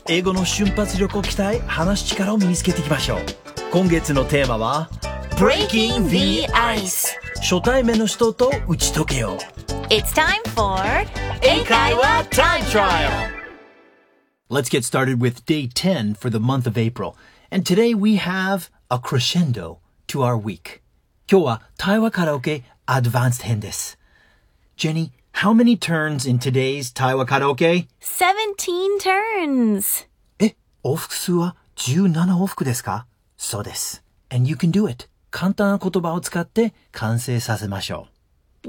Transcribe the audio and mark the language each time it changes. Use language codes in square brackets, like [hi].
[ja] 英語の瞬発力を鍛え、話し力を身につけていきましょう。今月のテーマは [en] Breaking the Ice. [ja] 初対面の人と打ち解けよう。 [en] It's time for Eikaiwa Time Trial. Let's get started with day 10 for the month of April. And today we have a crescendo to our week. [ja] 今日は対話カラオケアドバンス編です。 [en] Jenny, how many turns in today's 対話カラオケ? 17 turns! [ja] え、往復数は17往復ですか? そうです。 [en] And you can do it! [ja] 簡単な言葉を使って完成させましょう。